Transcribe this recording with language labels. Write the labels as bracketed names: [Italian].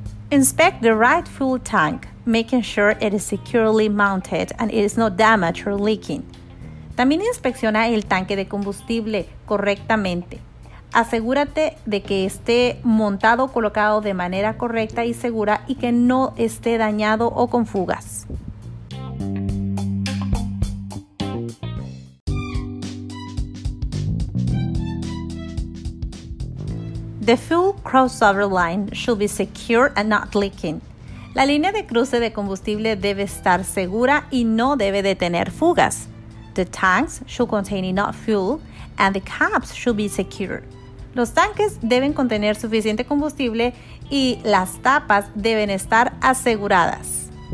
[English] Inspect the right fuel tank, making sure it is securely mounted and it is not damaged or leaking. [Spanish] También inspecciona el tanque de combustible correctamente. Asegúrate de que esté montado o colocado de manera correcta y segura y que no esté dañado o con fugas. [English] The fuel crossover line should be secure and not leaking. [Spanish] La línea de cruce de combustible debe estar segura y no debe de tener fugas. [English] The tanks should contain enough fuel and the caps should be secure. [Spanish] Los tanques deben contener suficiente combustible y las tapas deben estar aseguradas.